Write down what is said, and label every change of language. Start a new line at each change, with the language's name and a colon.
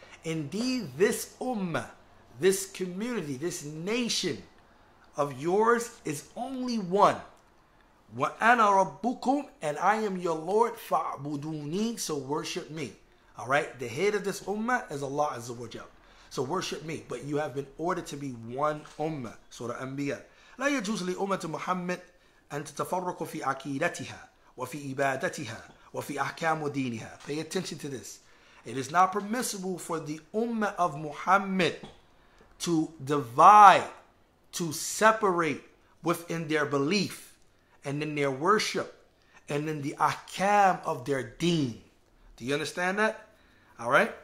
English: Indeed, this ummah, this community, this nation of yours is only one.
Arabic: Wa ana rabbukum,
English: and I am your Lord,
Arabic: fa'buduni,
English: so worship me. Alright? The head of this ummah is Allah Azza wa Jalla. So worship me, but you have been ordered to be one ummah. Surah Anbiya.
Arabic: لا يجوز لأمة محمد أن تتفرق في عقيدتها وفي عبادتها وفي أحكام دينها.
English: Pay attention to this. It is not permissible for the ummah of Muhammad to divide, to separate within their belief and in their worship and in the ahkam of their deen. Do you understand that? All right.